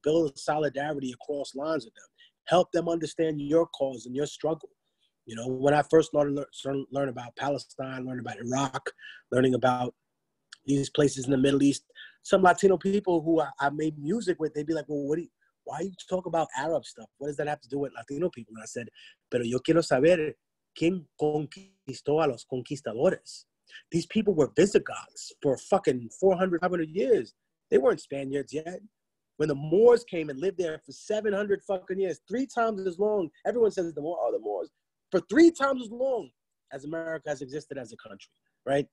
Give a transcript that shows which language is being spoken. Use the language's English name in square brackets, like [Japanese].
[English] Build solidarity across lines with them. Help them understand your cause and your struggle. You know, when I first learned about Palestine, learning about Iraq, learning about these places in the Middle East, some Latino people who I made music with, they'd be like, well, why you talk about Arab stuff? What does that have to do with Latino people? And I said, [Spanish] pero yo quiero saber quién conquistó a los conquistadores. [English] These people were Visigoths for fucking 400, 500 years. They weren't Spaniards yet. When the Moors came and lived there for 700 fucking years, three times as long, everyone says the Moors, for three times as long as America has existed as a country, right?